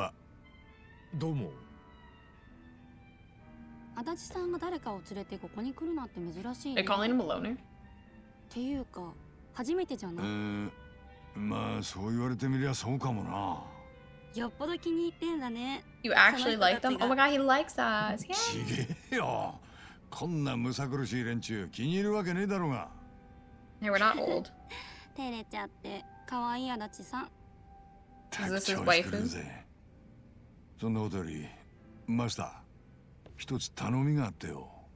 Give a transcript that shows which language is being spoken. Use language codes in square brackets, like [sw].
[ja] 足立さんが誰かを連れてここに来るなんて珍しいね。え、カーリンボローナー?っていうか、初めてじゃない。まあ、そう言われてみりゃそうかもな。よっぽど気に入ってんだね。 [en] You actually like them? Oh my god, he likes us. [ja] ちげえよ! こんなむさ苦しい連中気に入るわけねえだろうが。 [en] ね、we're not old. [ja] 照れちゃって、可愛い足立さん。 [en] Is this his wife? [ja] そんなことより、マスター、一つ頼みがあってよ。